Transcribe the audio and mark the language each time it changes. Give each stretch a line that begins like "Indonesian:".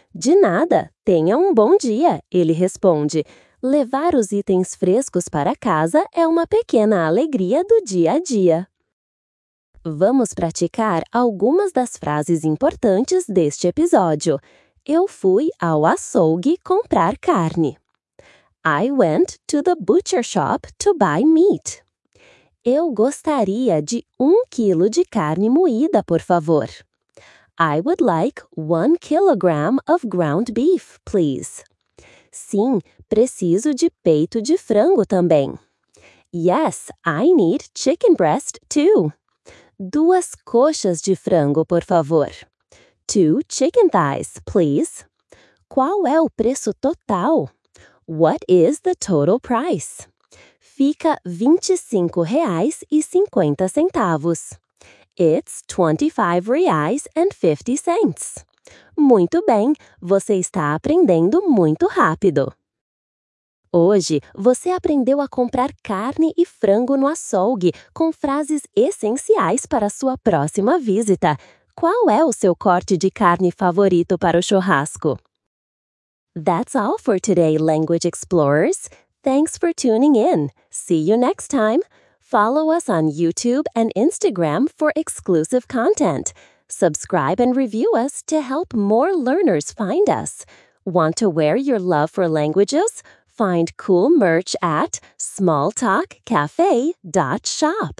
Portuguese: De nada, tenha um bom dia, ele responde. Levar os itens frescos para casa é uma pequena alegria do dia a dia. Vamos praticar algumas das frases importantes deste episódio. Eu fui ao açougue comprar carne.
English: I went to the butcher shop to buy meat.
Portuguese: Eu gostaria de 1 quilo de carne moída, por favor.
English: I would like 1 kilogram of ground beef, please.
Portuguese: Sim, preciso de peito de frango também.
English: Yes, I need chicken breast too.
Portuguese: 2 coxas de frango, por favor.
English: 2 chicken thighs, please.
Portuguese: Qual é o preço total?
English: What is the total price?
Portuguese: Fica R$ 25,50.
English: It's R$ 25,50.
Portuguese: Muito bem, você está aprendendo muito rápido. Hoje, você aprendeu a comprar carne e frango no açougue com frases essenciais para a sua próxima visita. Qual é o seu corte de carne favorito para o churrasco?
English: That's all for today, Language Explorers. Thanks for tuning in. See you next time. Follow us on YouTube and Instagram for exclusive content. Subscribe and review us to help more learners find us. Want to wear your love for languages? Find cool merch at smalltalkcafe.shop.